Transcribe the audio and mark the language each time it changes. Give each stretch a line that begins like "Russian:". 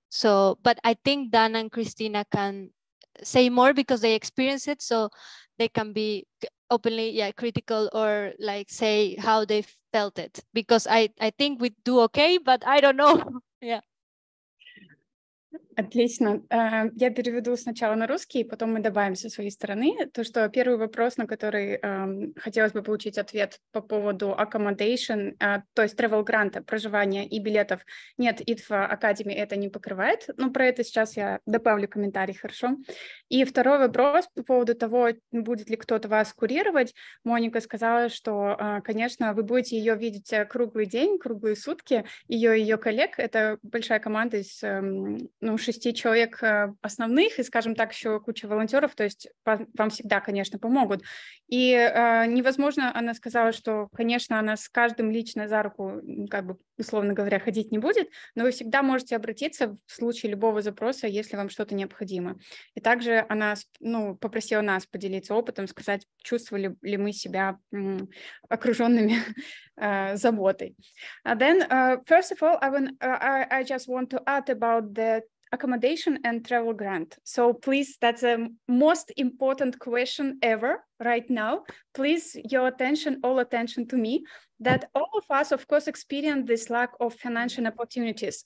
English: So, but I think Dan and Christina can say more because they experience it, so they can be openly, yeah, critical or like say how they felt it, because I think we do okay, but I don't know. Yeah.
Russian: Отлично. Я переведу сначала на русский, потом мы добавим со своей стороны. То, что первый вопрос, на который хотелось бы получить ответ по поводу accommodation, то есть travel grant, проживания и билетов. Нет, IDFA Academy это не покрывает, но про это сейчас я добавлю комментарий, хорошо? И второй вопрос по поводу того, будет ли кто-то вас курировать. Моника сказала, что, конечно, вы будете ее видеть круглый день, круглые сутки, ее и ее коллег. Это большая команда из... шести человек основных и, скажем так, еще куча волонтеров, то есть вам всегда, конечно, помогут. И невозможно, она сказала, что, конечно, она с каждым лично за руку, как бы, условно говоря, ходить не будет, но вы всегда можете обратиться в случае любого запроса, если вам что-то необходимо. И также она, ну, попросила нас поделиться опытом, сказать, чувствовали ли мы себя окруженными заботой.
English: Then, first of all, I just want to add about the accommodation and travel grant. So please, that's the most important question ever right now. Please, your attention, all attention to me, that all of us, of course, experience this lack of financial opportunities.